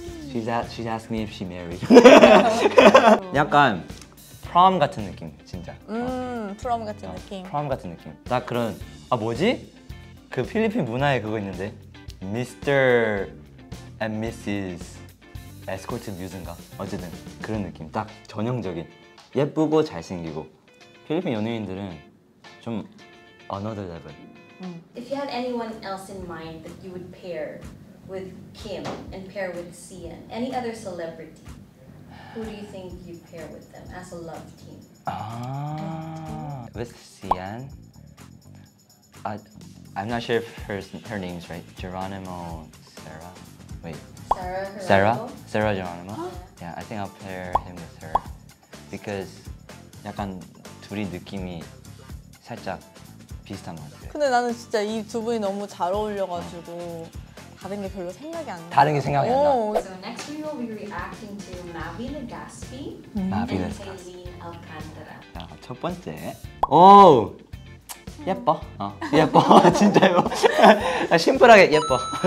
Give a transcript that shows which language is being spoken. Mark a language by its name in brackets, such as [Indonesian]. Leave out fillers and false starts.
[English] She's asking me if she married. [Korean] 약간 prom 같은 느낌, 진짜. prom 같은 느낌. prom 같은 느낌. 딱 그런, 아 뭐지? 그 필리핀 문화에 그거 있는데 Mr. [English] and Mrs. [Korean] Escort Muse인가? 어쨌든 그런 느낌, 딱 전형적인. 예쁘고 잘생기고. 필리핀 연예인들은 좀 [English] another level. If you had anyone else in mind that you would pair with Kim and pair with Sian, any other celebrity, who do you think you pair with them as a love team? Ah, with Sian, I'm not sure if her name's right. Geronimo Sarah. Wait. Sarah. Sarah Geronimo. Huh? Yeah, I think I'll pair him with her because [Korean] 약간 둘이 느낌이 살짝 비슷한 것 같아요. 근데 나는 진짜 이 두 분이 너무 잘 어울려가지고. 다른 게 별로 생각이 안 나. 다른 게 생각이 안 나. [English] So next we will be reacting to Mavila Gaspi and Taylene Alcantara. [Korean] 자, 첫 번째. 오! 예뻐. 예뻐. 진짜요. 심플하게 예뻐.